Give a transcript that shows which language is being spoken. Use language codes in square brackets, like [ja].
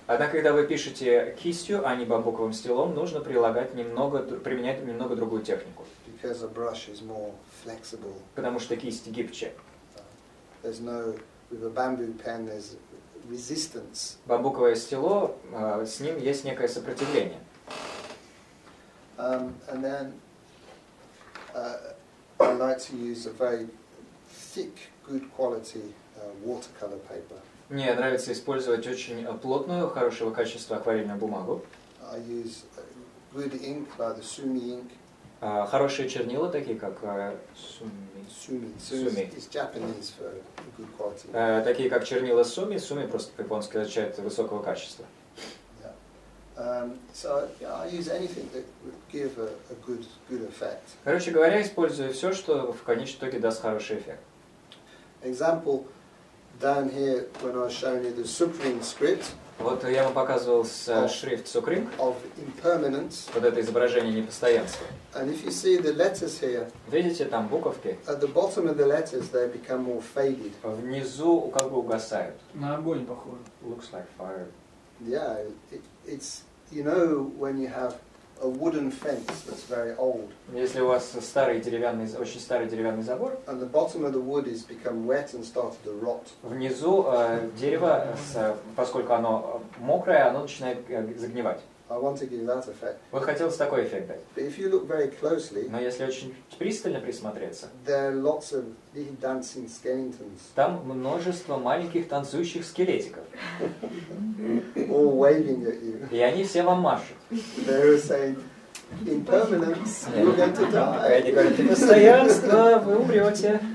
[ru] Однако, когда вы пишете кистью, а не бамбуковым стилом, нужно прилагать немного, применять немного другую технику. [en] Because a brush is more flexible. [ru] Потому что кисть гибче. [en] There's no with a bamboo pen there's resistance. [ru] Бамбуковое стило, с ним есть некое сопротивление. [en] And then I like to use a very thick good quality watercolor paper. [ru] Мне нравится использовать очень плотную, хорошего качества акварельную бумагу. [en] I use good ink, like the Sumi ink. [ru] Хорошие чернила, такие как [en] Sumi. It's Japanese for good quality. [ru] Такие как чернила Sumi. Sumi просто по-японски означает высокого качества. [en] I use anything that would give a good effect. [ru] Короче говоря, использую все, что в конечном итоге даст хороший эффект. [en] Example down here when I was showing you the Supreme script. [ru] Вот я вам показывал шрифт Supreme. [en] Of impermanence. [ru] Вот это изображение непостоянства. [en] And if you see the letters here. [ru] Видите там буковки? [en] At the bottom of the letters they become more faded. [ru] Внизу как бы угасают. На огонь похоже. [en] Looks like fire. Yeah, it's you know when you have a wooden fence that's very old. [ru] Если у вас старый деревянный, очень старый деревянный забор. [en] And the bottom of the wood has become wet and started to rot. [ru] Внизу дерево, поскольку оно мокрое, оно начинает загнивать. [en] I want to give that effect. [ru] Вы хотелось такой эффект дать? [en] But if you look very closely. [ru] Но если очень пристально присмотреться. [en] There are lots of little dancing skeletons. [ru] Там множество маленьких танцующих скелетиков. [en] All waving at you. [ru] И они все вам машут. [en] They were saying, impermanence, you're going to die. [ru] Они говорят, непостоянство, вы умрете.